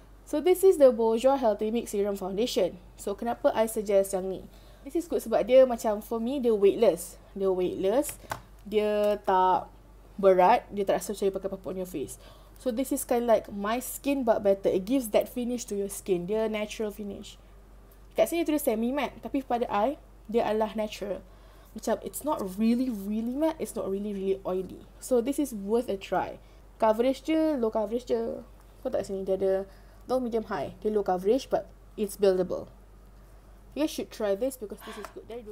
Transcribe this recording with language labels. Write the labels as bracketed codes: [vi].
[en] So this is the Bourjois Healthy Mix Serum Foundation. So [ms] kenapa [en] I suggest [ms] yang ni? [en] This is good [ms] sebab dia macam [en] for me [ms] dia [en] weightless. Dia weightless. [ms] Dia tak berat, dia tak rasa macam you pakai apa-apa [en] on your face. So this is kind of like my skin but better. It gives that finish to your skin. [ms] Dia [en] natural finish. [ms] Kat sini tulis semi matte, tapi pada I dia adalah natural. Macam [en] it's not really really matte, it's not really really oily. So this is worth a try. Coverage je, low coverage je. [ms] Kau tak sini dia ada [en] low, medium, high. [ms] Dia [en] low coverage but it's buildable. You guys should try this because this is good.